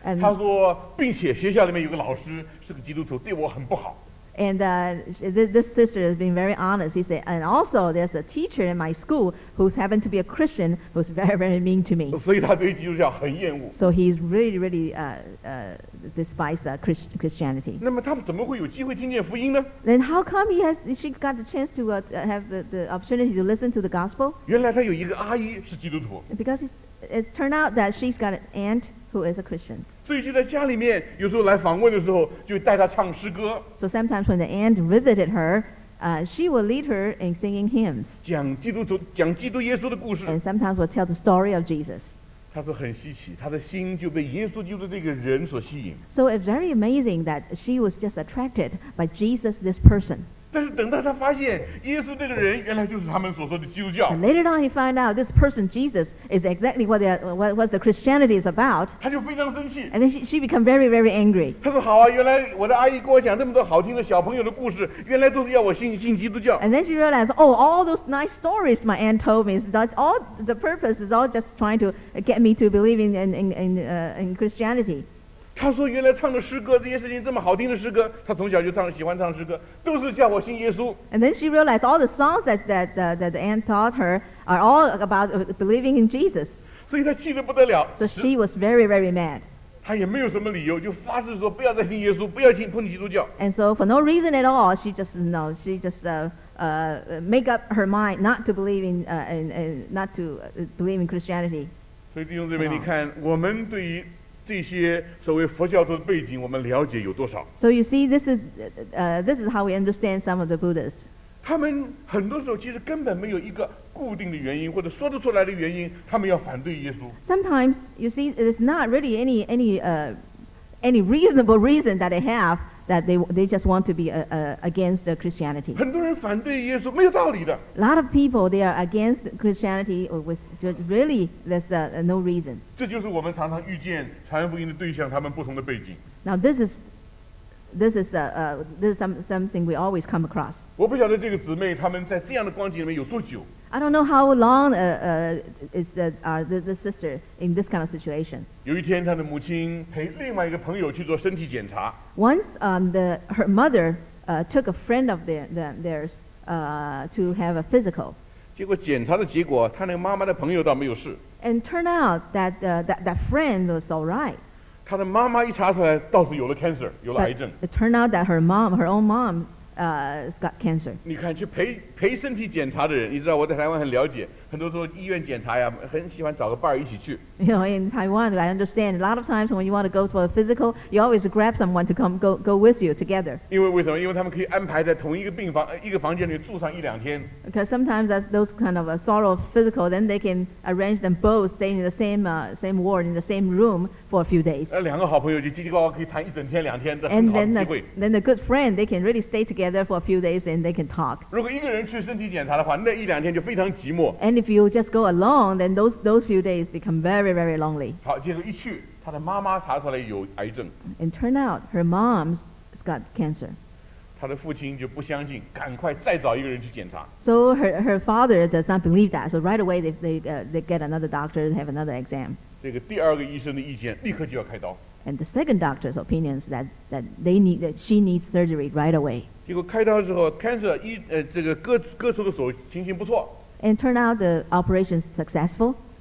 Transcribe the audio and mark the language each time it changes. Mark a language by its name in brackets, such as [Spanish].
[Chinese] 她说，并且学校里面有个老师是个基督徒，对我很不好。 [English] And this sister has been very honest. He said, and also there's a teacher in my school who's happened to be a Christian who's very, very mean to me. [Chinese] 所以她对基督教很厌恶。 [English] So he's really, really despised Christianity. [Chinese] 那么他们怎么会有机会听见福音呢？ [English] Then how come she got the chance to have the opportunity to listen to the gospel? [Chinese] 原来她有一个阿姨是基督徒。 [English] Because it turned out that she's got an aunt who is a Christian. [Chinese] 所以就在家里面，有时候来访问的时候，就带她唱诗歌。 [English] So sometimes when the aunt visited her, she will lead her in singing hymns. [Chinese] 讲基督耶稣的故事。 [English] And sometimes will tell the story of Jesus. [Chinese] 她说很稀奇，她的心就被耶稣基督这个人所吸引。 [English] So it's very amazing that she was just attracted by Jesus, this person. [Chinese] 但是等到他发现耶稣这个人原来就是他们所说的基督教。 [English] And later on, he found out this person Jesus is exactly what what the Christianity is about. [Chinese] 他就非常生气。 [English] And then she became very very angry. [Chinese] 他说好啊，原来我的阿姨跟我讲这么多好听的小朋友的故事，原来都是要我信基督教。 [English] And then she realized, oh, all those nice stories my aunt told me is that all the purpose is all just trying to get me to believe in Christianity. [Chinese] 他说原来唱的诗歌这些事情这么好听的诗歌他从小就唱喜欢唱诗歌都是叫我信耶稣 [English] And then she realized all the songs that the aunt taught her are all about believing in Jesus [Chinese] 所以他气得不得了 [English] So she was very very mad [Chinese] 他也没有什么理由就发誓说不要再信耶稣不要信碰基督教 [English] And so for no reason at all she just no she just make up her mind not to believe in not to believe in Christianity [Chinese] 所以弟兄姊妹你看我们对于这些所谓佛教徒的背景我们了解有多少 [English] So you see this is how we understand some of the Buddhists [Chinese] 他们很多时候其实根本没有一个固定的原因或者说得出来的原因他们要反对耶稣 [English] Sometimes you see it's not really any reasonable reason that they have that they just want to be against Christianity [Chinese] 很多人反对耶稣没有道理的 [English] A lot of people they are against Christianity withJust really, there's no reason. [Chinese] 这就是我们常常遇见传福音的对象，他们不同的背景。 [English] Now this is something we always come across. [Chinese] 我不晓得这个姊妹他们在这样的光景里面有多久。 [English] I don't know how long is the sister in this kind of situation. [Chinese] 有一天，她的母亲陪另外一个朋友去做身体检查。 [English] Once her mother took a friend of theirs to have a physical. [Chinese] 结果检查的结果，他那个妈妈的朋友倒没有事。 [English] And turned out that that friend was all right. [Chinese] 他的妈妈一查出来，倒是有了 cancer， 有了癌症。 [English] But it turned out that her own mom, got cancer. [Chinese] 你看，去陪身体检查的人，你知道我在台湾很了解，很多时候医院检查呀，很喜欢找个伴儿一起去。 [English] You know, in Taiwan, I understand a lot of times when you want to go for a physical, you always grab someone to come go with you together. [Chinese] 因为什么？因为他们可以安排在同一个病房一个房间里住上一两天。 [English] Because sometimes that's those kind of a thorough physical, then they can arrange them both staying in the same ward in the same room for a few days. [Chinese] 两个好朋友就叽叽呱呱可以谈一整天两天，这很好的机会。 [English] And then the good friend they can really stay together for a few days and they can talk. [Chinese] 如果一个人去身体检查的话，那一两天就非常寂寞。 [English] And if you just go alone, then those few days become very, very lonely. [Chinese] 好，接着一去，她的妈妈查出来有癌症。 [English] And turn out her mom's got cancer. [Chinese] 她的父亲就不相信，赶快再找一个人去检查。 [English] So her father does not believe that. So right away they get another doctor to have another exam. [Chinese] 这个第二个医生的意见，立刻就要开刀。 [English] And the second doctor's opinion is that she needs surgery right away. [Chinese] 结果开刀之后 ，cancer 这个割除的手情形不错。 [English] And turn out the operation successful.